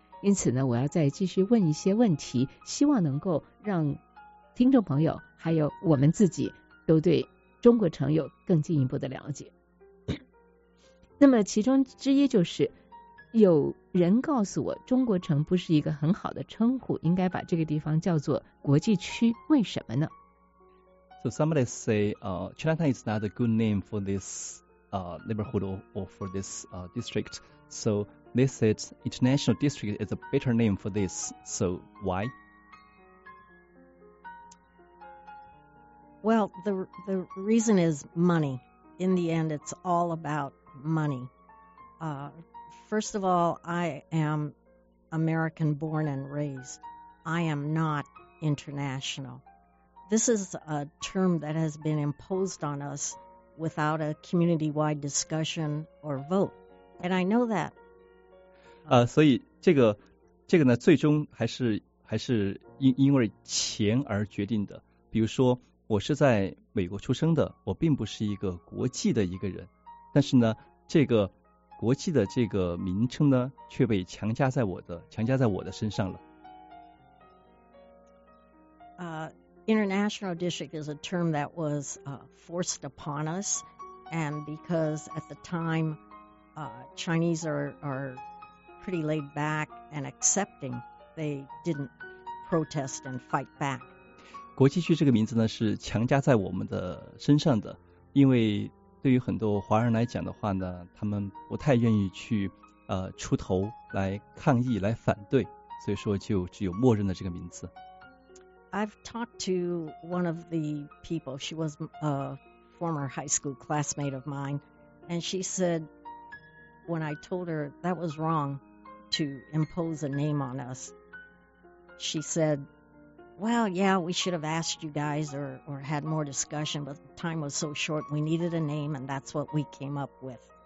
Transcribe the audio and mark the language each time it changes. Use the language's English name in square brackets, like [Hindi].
[Chinese] 因此呢，我要再继续问一些问题，希望能够让听众朋友还有我们自己都对中国城有更进一步的了解。那么其中之一就是，有人告诉我中国城不是一个很好的称呼，应该把这个地方叫做国际区，为什么呢？ [English] So somebody say Chinatown is not a good name for this neighborhood or for this district. So they said International District is a better name for this. So why? Well, the reason is money. In the end, it's all aboutMoney. First of all, I am American born and raised. I am not international. This is a term that has been imposed on us without a community-wide discussion or vote. And I know that. [Chinese] 所以这个呢，最终还是因为钱而决定的。比如说，我是在美国出生的，我并不是一个国际的一个人，但是呢，这个国际的这个名称呢，却被强加在我的身上了。 [English] International district is a term that was forced upon us, and because at the time Chinese are pretty laid back and accepting, they didn't protest and fight back. [Chinese] 国际区这个名字呢，是强加在我们的身上的，因为对于很多华人来讲的话呢，他们不太愿意去出头来抗议来反对，所以说就只有默认的这个名字。 [English] I've talked to one of the people, she was a former high school classmate of mine, and she said when I told her that was wrong to impose a name on us, she said, well, yeah, we should have asked you guys or had more discussion, but the time was so short, we needed a name, and that's what we came up with.